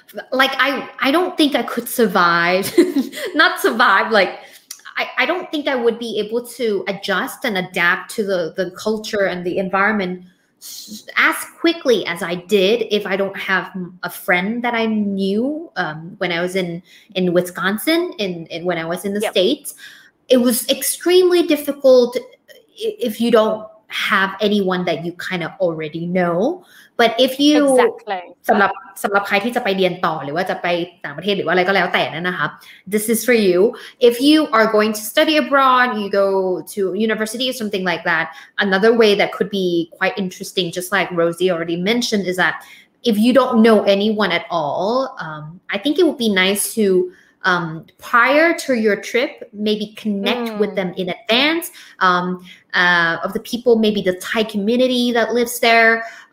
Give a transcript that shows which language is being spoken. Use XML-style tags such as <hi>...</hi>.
<en>Like I don't think I could survive, not survive, like I don't think I would be able to adjust and adapt to the culture and the environment as quickly as I did if I don't have a friend that I knew when I was in Wisconsin, in when I was in the States. It was extremely difficult if you don't have anyone that you kind of already know. But if you</en> <th>สำหรับใครที่จะไปเรียนต่อหรือว่าจะไปต่างประเทศหรือว่าอะไรก็แล้วแต่นั่นนะคะ</th> <en>this is for you. If you are going to study abroad, you go to university or something like that, another way that could be quite interesting, just like Rosie already mentioned, is that if you don't know anyone at all, I think it would be nice to prior to your trip, maybe connect with them in advance, of the people, maybe the Thai community that lives there.</en>